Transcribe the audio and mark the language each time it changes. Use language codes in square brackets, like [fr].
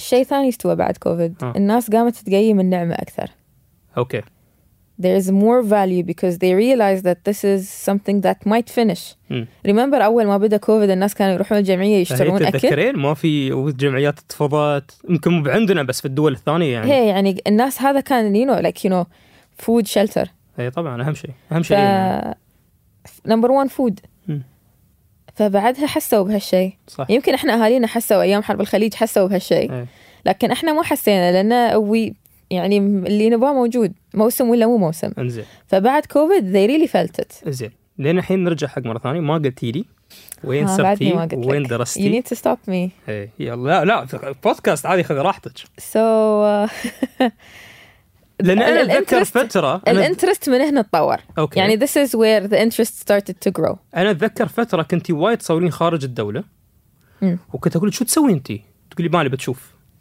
[ar] شيء ثاني استوى بعد كوفيد، الناس قامت تقيم النعمة أكثر. أوكي. [en] There is more value because they realize that this is something that might finish. [ar] Remember, أول ما بدأ كوفيد الناس كانوا يروحون الجمعية يشترون أكل. تذكرين ما في جمعيات اتفضت، ممكن عندنا بس في الدول الثانية يعني. هي يعني الناس هذا كان [en] you know food shelter. [ar] هي طبعا أهم شيء. [en] Number one food. [ar] فبعدها حسوا بهالشيء. يمكن إحنا أهالينا حسوا أيام حرب الخليج حسوا بهالشيء. لكن إحنا ما حسينا لأن يعني اللي نبغاه موجود موسم ولا مو موسم. أنزل. فبعد كوفيد [en] they really felt it. [ar] أنزل. لين الحين نرجع حق مرة ثانية، ما قلتي لي وين سبتي وين درستي. [en] You need to stop me. [ar] إيه يلا لا بودكاست عادي خذ راحتك. [en] So. [ar] لأن أنا أتذكر فترة. الانترست من هنا تطور. أوكي. [en] يعني this is where the interest started to grow. [ar] أنا أتذكر فترة كنتي وايد تصورين خارج الدولة. وكنت أقول شو تسوين أنتي؟ تقولي مالي بتشوف.